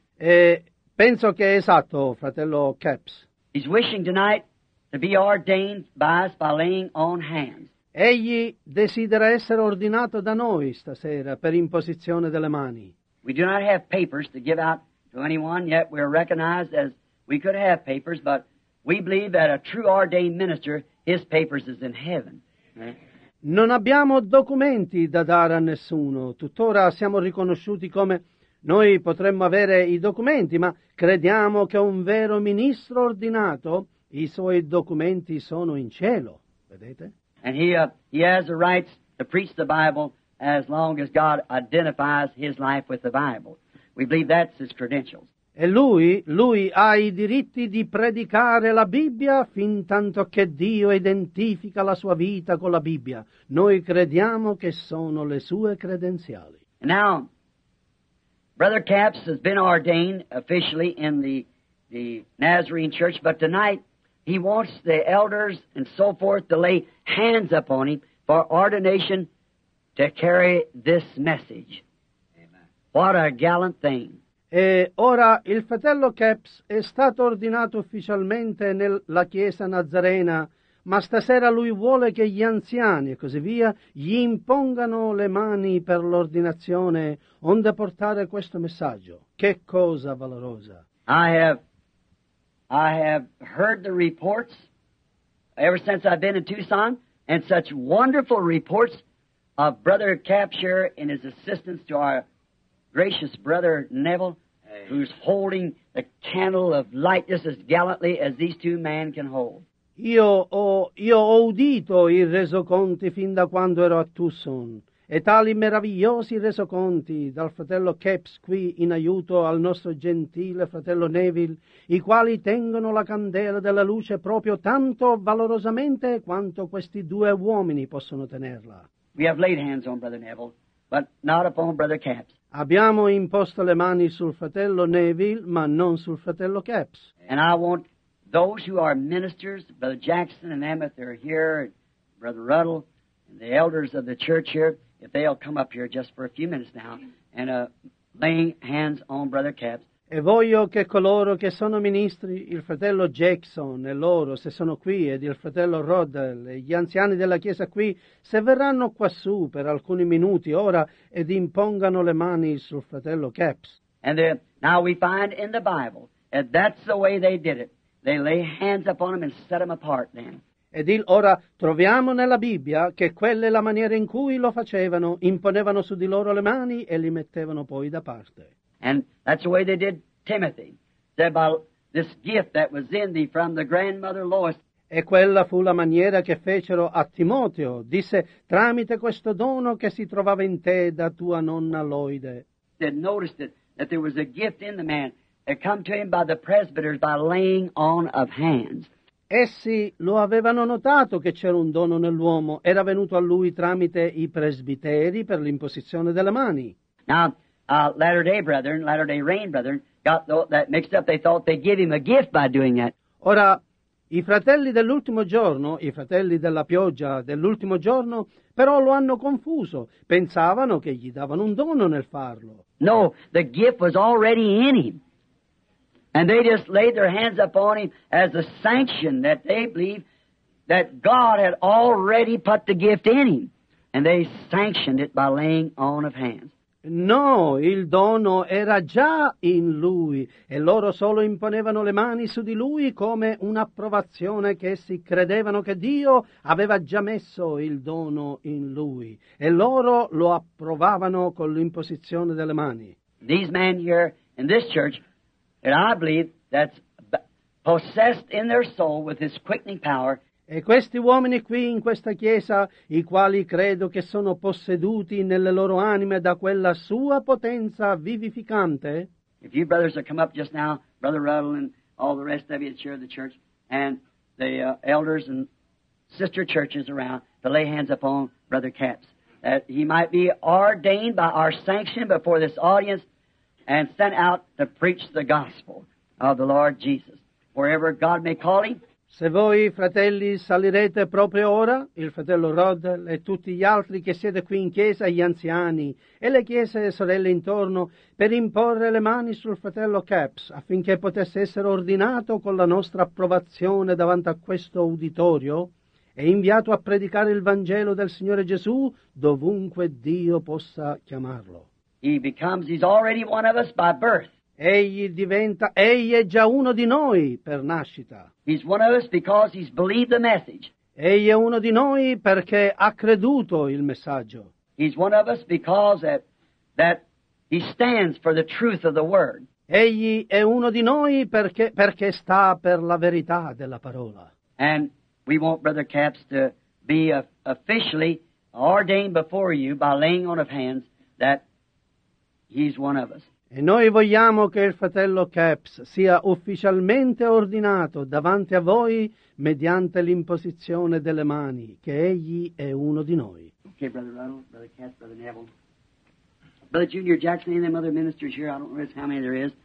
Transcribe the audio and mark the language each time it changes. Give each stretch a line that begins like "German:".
Italian: E penso che è esatto, fratello Capps.
English: He's wishing tonight to be ordained by us by laying on hands.
Italian: Egli desidera essere ordinato da noi stasera per imposizione delle mani.
English: We do not have papers to give out to anyone yet. We are recognized as we could have papers, but we believe that a true ordained minister, his papers is in heaven.
Italian: Non abbiamo documenti da dare a nessuno. Tuttora siamo riconosciuti come noi potremmo avere i documenti, ma crediamo che un vero ministro ordinato, i suoi documenti sono in cielo. Vedete?
English: And he has the rights to preach the Bible as long as God identifies his life with the Bible. We believe that's his credentials.
Italian: E lui ha i diritti di predicare la Bibbia fin tanto che Dio identifica la sua vita con la Bibbia. Noi crediamo che sono le sue credenziali.
English: Now, Brother Capps has been ordained officially in the Nazarene Church, but tonight he wants the elders and so forth to lay hands upon him for ordination to carry this message. Amen. What a gallant thing.
Italian: E ora il fratello Capps è stato ordinato ufficialmente nella Chiesa Nazarena. ma stasera lui vuole che gli anziani e così via gli impongano le mani per l'ordinazione onde portare questo messaggio. Che cosa valorosa!
English: I have heard the reports ever since I've been in Tucson, and such wonderful reports of Brother Capture and his assistance to our gracious Brother Neville, who's holding the candle of light just as gallantly as these two men can hold.
Italian: Io ho udito i resoconti fin da quando ero a Tucson, e tali meravigliosi resoconti dal fratello Capps qui in aiuto al nostro gentile fratello Neville, i quali tengono la candela della luce proprio tanto valorosamente quanto questi due uomini possono tenerla.
English: We have laid hands on Brother Neville, but not upon Brother Capps.
Italian: Abbiamo imposto le mani sul fratello Neville, ma non sul fratello Capps.
English: And I want those who are ministers, Brother Jackson and Emmett, they're here, Brother Ruddle, and the elders of the church here, if they'll come up here just for a few minutes now and lay hands on Brother Capps.
Italian: E voglio che coloro che sono ministri, il fratello Jackson e loro, se sono qui, ed il fratello Roddell e gli anziani della chiesa qui, se verranno quassù per alcuni minuti ora ed impongano le mani sul fratello Capps.
English: And then, now we find in the Bible that that's the way they did it. They lay hands upon him and set them apart then.
Italian: Ed ora troviamo nella Bibbia che quella è la maniera in cui lo facevano, imponevano su di loro le mani e li mettevano poi da parte.
English: And that's the way they did Timothy. They about this gift that was in thee from the grandmother Lois.
Italian: E quella fu la maniera che fecero a Timoteo. Disse, tramite questo dono che si trovava in te da tua nonna Loide.
English: They noticed it, that there was a gift in the man that come to him by the presbyters by laying on of hands.
Italian: Essi lo avevano notato che c'era un dono nell'uomo. Era venuto a lui tramite i presbiteri per l'imposizione delle mani.
English: Now, Latter-day brethren, Latter-day Rain brethren, got that mixed up. They thought they gave him a gift by doing that.
Italian: Ora, i fratelli dell'ultimo giorno, i fratelli della pioggia dell'ultimo giorno, però lo hanno confuso. Pensavano che gli davano un dono nel farlo.
English: No, the gift was already in him. And they just laid their hands upon him as a sanction that they believe that God had already put the gift in him. And they sanctioned it by laying on of hands.
Italian: No, il dono era già in lui, e loro solo imponevano le mani su di lui come un'approvazione che essi credevano che Dio aveva già messo il dono in lui, e loro lo approvavano con l'imposizione delle mani.
English: These men here in this church, and I believe that's possessed in their soul with his quickening power.
Italian: E questi uomini qui in questa chiesa, i quali credo che sono posseduti nelle loro anime da quella sua potenza vivificante.
English: If you brothers have come up just now, Brother Ruddle and all the rest of you at share the church, and the elders and sister churches around, to lay hands upon Brother Capps, that he might be ordained by our sanction before this audience and sent out to preach the gospel of the Lord Jesus, wherever God may call him.
Italian: Se voi, fratelli, salirete proprio ora, il fratello Rod e tutti gli altri che siete qui in chiesa, gli anziani e le chiese e sorelle intorno, per imporre le mani sul fratello Capps, affinché potesse essere ordinato con la nostra approvazione davanti a questo uditorio, e inviato a predicare il Vangelo del Signore Gesù dovunque Dio possa chiamarlo.
English: He's already one of us by birth.
Italian: Egli è già uno di noi per nascita.
English: He's one of us because he's believed the message.
Italian: Egli è uno di noi perché ha creduto il messaggio.
English: He's one of us because that he stands for the truth of the word.
Italian: Egli è uno di noi perché sta per la verità della parola.
English: And we want Brother Capps to be officially ordained before you by laying on of hands that he's one of us.
Italian: E noi vogliamo che il fratello Capps sia ufficialmente ordinato davanti a voi mediante l'imposizione delle mani, che egli è uno di noi.
English: Okay, Brother Ruddle, Brother Capps, Brother Neville. Brother Junior Jackson and the other ministers here, I don't realize how many there is.